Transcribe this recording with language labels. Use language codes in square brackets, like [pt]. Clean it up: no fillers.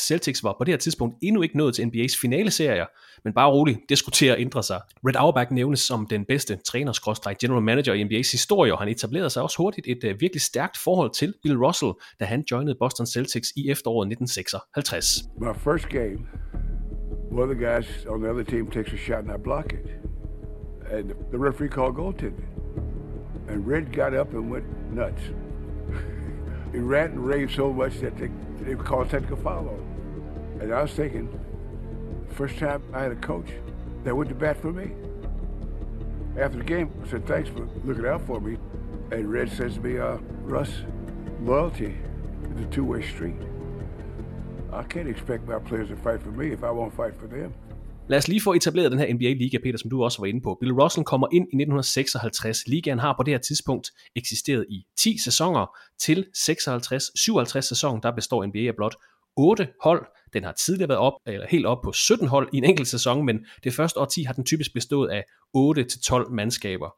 [da] Celtics var på det her tidspunkt endnu ikke nået til NBA's finaleserier, men bare roligt, det skulle til at ændre sig. Red Auerbach nævnes som den bedste træner-general manager i NBA's historie, og han etablerede sig også hurtigt et virkelig stærkt forhold til Bill Russell, da han joinede Boston Celtics i efteråret 1956. [en] My first game, one of the guys on the other team takes a shot and I block it. And the referee called goaltending. And Red got up and went nuts. He ran and raved so much that they called technical foul on. And I was thinking, first time I had a coach that went to bat for me. After the game, I said, thanks for looking out for me. And Red says to me, Russ, loyalty is a two-way street. I can't expect my players to fight for me if I won't fight for them. [da] Lad os lige få etableret den her NBA-liga, Peter, som du også var inde på. Bill Russell kommer ind i 1956. Ligaen har på det her tidspunkt eksisteret i 10 sæsoner. Til 56-57 sæsonen, der består NBA af blot 8 hold. Den har tidligere været helt op på 17 hold i en enkelt sæson, men det første årti har den typisk bestået af 8-12 mandskaber.